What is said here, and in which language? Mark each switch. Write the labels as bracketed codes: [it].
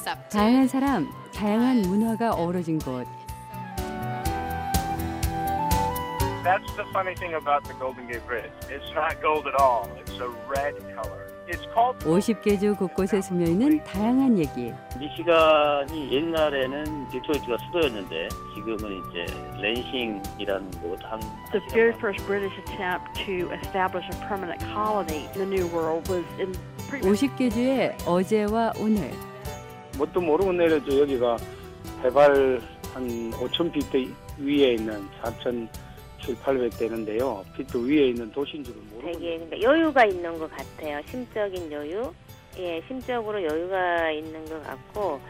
[ko] 다양한 사람, 다양한 문화가 어우러진 곳. [en] That's the funny thing about the Golden Gate Bridge. It's not gold at all. It's a red color. It's called. [ko] 50개 주 곳곳에 숨어 있는 다양한 얘기. 미시간이 옛날에는 디트로이트가 수도였는데 지금은 이제 랜싱이라는 곳 한. [en] The very first British attempt to establish a permanent colony in the New World was in. [ko] 50개 주의 어제와 오늘. 뭣도 모르고 내려도 여기가 해발 한 5,000 피트 위에 있는 4,000. 7,800 되는데요. 피트 위에 있는 도시인 줄은 모르고 여유가 있는 것 같아요. 심적인 여유. 예, 심적으로 여유가 있는 것 같고.